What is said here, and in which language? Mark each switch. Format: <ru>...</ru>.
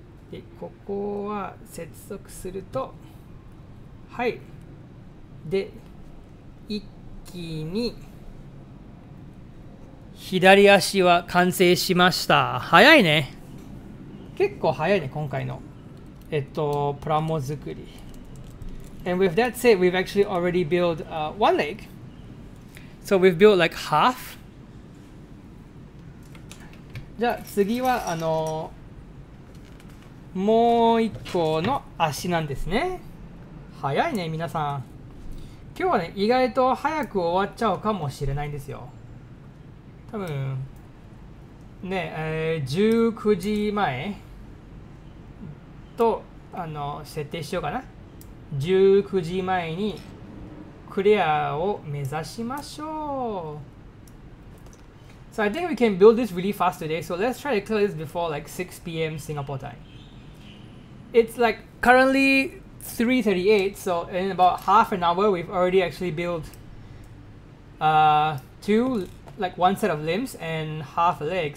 <ja>で、ここは接続すると、はい、で一気に左足は完成しました。早いね、結構早いね、今回のプラモ作り。</ja> <en>And with that said, we've actually already built one leg. So we've built like half.</en> <ja>じゃあ次はもう一個の足なんですね。早いね、皆さん。今日はね、意外と早く終わっちゃうかもしれないんですよ。多分、ね、19時前と、設定しようかな。 19時前にクリアを目指しましょう。</ja> <en>So I think we can build this really fast today, so let's try to clear this before like 6 p.m. Singapore time. It's like currently 3:38, so in about half an hour, we've already actually built one set of limbs and half a leg.</en>